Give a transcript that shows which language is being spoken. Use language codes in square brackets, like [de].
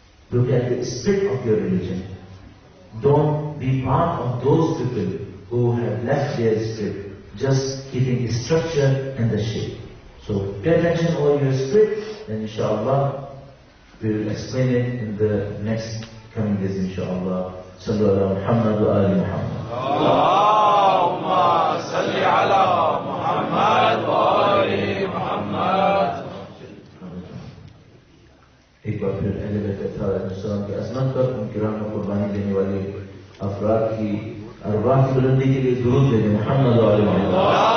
[en] Look at the spirit of your religion. Don't be part of those people who have left their spirit, just keeping the structure and the shape. So pay attention over your spirit, and inshallah, we will explain it in the next coming days, inshallah. [ar] صلى الله على محمد وآل محمد. اللهم صل على محمد وآل محمد. [ur] ایک بار پھر اہل بیت علیہ السلام کی عظمت پر ان کرام کو قربانی دینے والے افراد کی ارواح کی بلندی کے لیے درود دیں محمد وآل محمد.